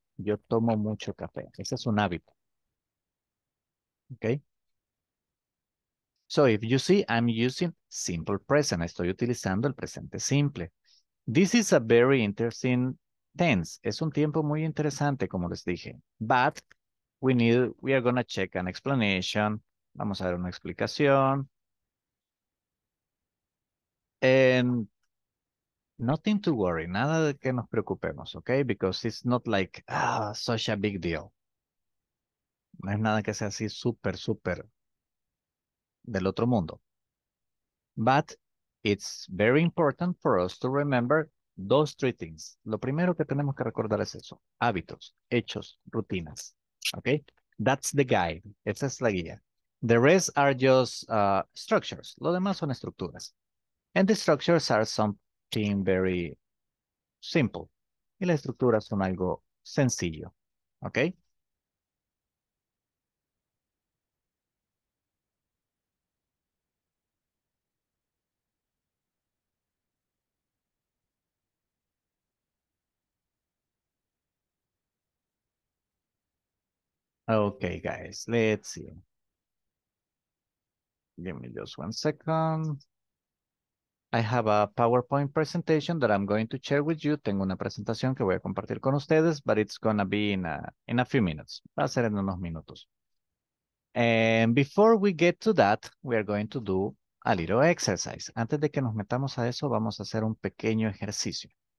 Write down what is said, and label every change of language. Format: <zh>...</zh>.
<es>Yo tomo mucho café. Ese es un hábito. Okay?</es> <en>So if you see, I'm using simple present.</en> <es>Estoy utilizando el presente simple.</es> <en>This is a very interesting tense.</en> <es>Es un tiempo muy interesante, como les dije.</es> <en>But we are going to check an explanation.</en> <es>Vamos a ver una explicación.</es> <en>And nothing to worry,</en> <es>nada de que nos preocupemos,</es> <en>okay? Because it's not like such a big deal.</en> <es>No es nada que sea así súper, súper del otro mundo.</es> <en>But it's very important for us to remember those three things.</en> <es>Lo primero que tenemos que recordar es eso: hábitos, hechos, rutinas, okay?</es> <en>That's the guide.</en> <es>Esa es la guía.</es> <en>The rest are just structures.</en> <es>Lo demás son estructuras.</es> <en>And the structures are something very simple.</en> <es>Y las estructuras son algo sencillo. ¿Ok?</es> <en>Ok, guys. Let's see. Give me just 1 second. I have a PowerPoint presentation that I'm going to share with you.</en> <es>Tengo una presentación que voy a compartir con ustedes,</es> <en>but it's going to be in a few minutes.</en> <es>Va a ser en unos minutos.</es> <en>And before we get to that, we are going to do a little exercise.</en> <es>Antes de que nos metamos a eso, vamos a hacer un pequeño ejercicio.</es>